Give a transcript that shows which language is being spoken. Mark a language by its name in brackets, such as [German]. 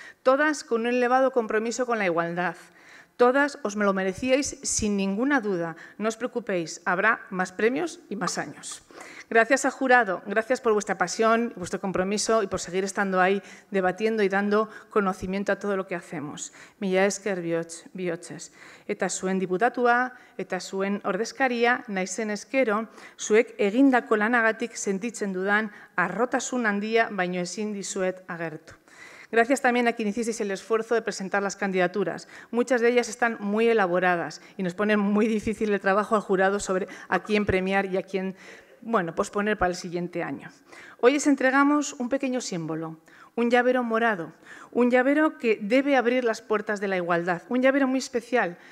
[Spanish] Todas con un elevado compromiso con la igualdad. Todas os me lo merecíais sin ninguna duda. No os preocupéis, habrá más premios y más años. Gracias al jurado, gracias por vuestra pasión, vuestro compromiso y por seguir estando ahí debatiendo y dando conocimiento a todo lo que hacemos. [Basque] Mila esker bihotzez. Eta zuen diputatua, eta zuen ordezkaria, naizen eskero, zuek egindako lanagatik sentitzen dudan arrotasun handia baino ezin dizuet agertu. [Spanish] Gracias también a quien hicisteis el esfuerzo de presentar las candidaturas. Muchas de ellas están muy elaboradas y nos ponen muy difícil el trabajo al jurado sobre a quién premiar y a quién, bueno, posponer para el siguiente año. Hoy les entregamos un pequeño símbolo, un llavero morado, un llavero que debe abrir las puertas de la igualdad, un llavero muy especial.